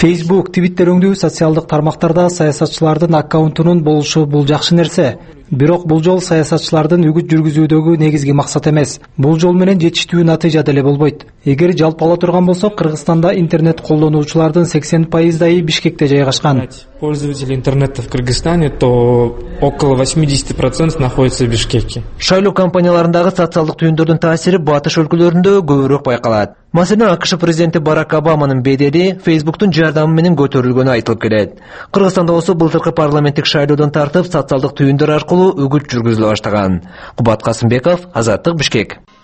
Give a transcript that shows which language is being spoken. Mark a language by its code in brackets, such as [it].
[ky] Facebook, Twitter өңдүү социалдык тармактарда саясатчылардын аккаунтунун болушу бул жакшы нерсе. Бирок бул жол саясатчылардын үгүт жүргүзүүдөгү негизги максат эмес. Бул жол менен жетиштүү натыйжа деле болбойт. Эгер жалпыла турган болсок, Кыргызстанда интернет колдонуучулардын 80%дайы Бишкекте жайгашкан. [ru] Пользователи интернета в Кыргызстане, то около 80% находится в Бишкеке. [ky] Шайлоо кампанияларындагы социалдык түйүндөрдүн таасири батыш өлкөлөрүндө көбүрөөк байкалат. Маселен, АКШ президенти Барак Обаманын бедели Facebook'тун жардамы менен көтөрүлгөнү айтылып келет. Кыргызстанда болсо былтыркы парламенттик шайлоодон тартып социалдык түйүндөр аркылуу үгүт жүргүзүлө баштаган. Кубат Касымбеков, Азаттык, Бишкек.